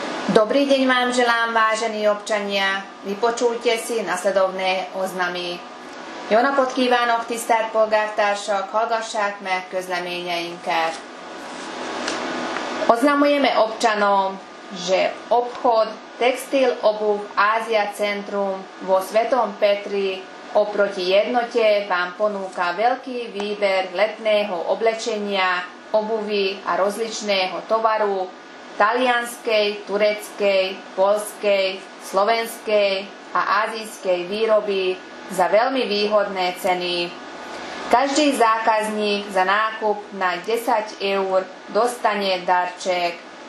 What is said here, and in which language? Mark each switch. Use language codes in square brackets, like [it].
[sk] Dobrý deň vám želám, vážení občania. Vypočujte si nasledovné oznamy. [hu] Jó napot kívánok, tisztelt polgártársak, hallgassák meg közleményeinket. [sk] Oznamujeme občanom, že obchod Textil Obuv Ázia Centrum vo Svetom Petri oproti jednote vám ponúka veľký výber letného oblečenia, obuvy a rozličného tovaru talianskej, tureckej, poľskej, slovenskej a ázijskej výroby za veľmi výhodné ceny. Každý zákazník za nákup na 10 eur dostane darček.